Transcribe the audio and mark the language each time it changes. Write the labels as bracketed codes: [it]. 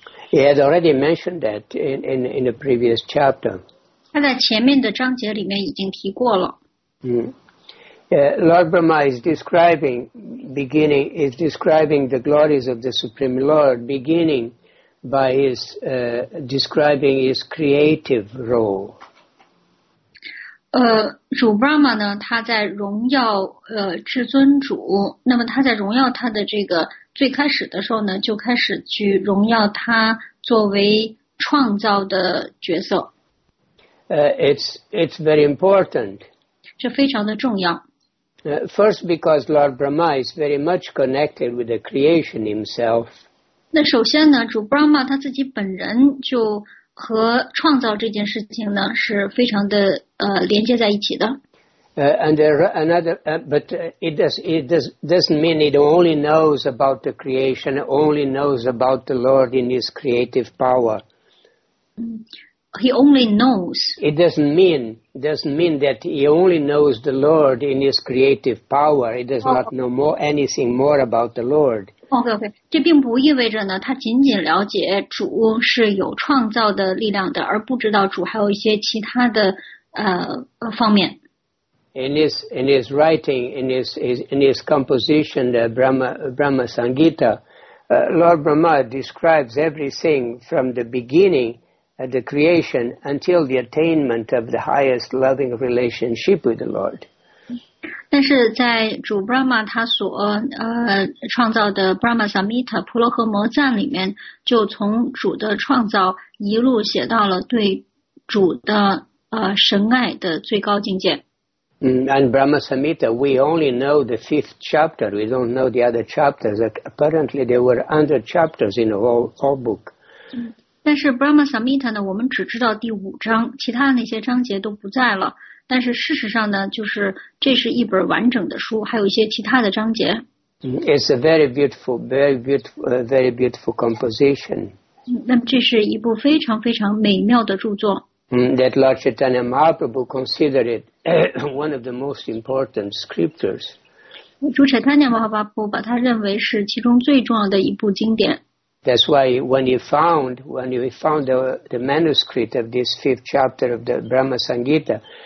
[en] He has already mentioned that in the previous chapter。 [zh] 他在前面的章节里面已经提过了。 [en] Lord Brahma is describing the glories of the Supreme Lord, beginning by his describing his creative role。 [zh] 主 Brahma 呢，他在荣耀至尊主。那么他在荣耀他的这个最开始的时候呢，就开始去荣耀他作为创造的角色。 [en] It's very important. [zh] 这非常的重要。 [en] First, because Lord Brahma is very much connected with the creation himself. [zh] 那首先呢，主 Brahma 他自己本人就。和创造这件事情呢是非常的连接在一起的。 [en] Doesn't mean it only knows about the creation, only knows about the Lord in His creative power. He only knows. It doesn't mean that he only knows the Lord in His creative power. He does not know more anything more about the Lord. [zh] OK, 这并不意味着呢他仅仅了解主是有创造的力量的而不知道主还有一些其他的方面。 [en] In his writing, in his composition, the Brahma Sangita, Lord Brahma describes everything from the beginning at the creation until the attainment of the highest loving relationship with the Lord. [zh] 但是在主 Brahma 他所创造的 Brahma Samhita 婆罗诃摩赞里面，就从主的创造一路写到了对主的神爱的最高境界。 [en] And Brahma Samhita, we only know the fifth chapter. We don't know the other chapters. Apparently, there were 100 chapters in the whole book. [zh] 但是 Brahma Samhita 呢，我们只知道第五章，其他那些章节都不在了。但是事实上呢，就是这是一本完整的书，还有一些其他的章节。 [en] It's a very beautiful, very beautiful, very beautiful composition. [zh] 那么这是一部非常非常美妙的著作。 [en] That Lord Chaitanya Mahaprabhu considered it one of the most important scriptures. [zh] 主 Chaitanya Mahaprabhu 把它认为是其中最重要的一部经典。 [en] That's why when you found the manuscript of this fifth chapter of the Brahma Sangita.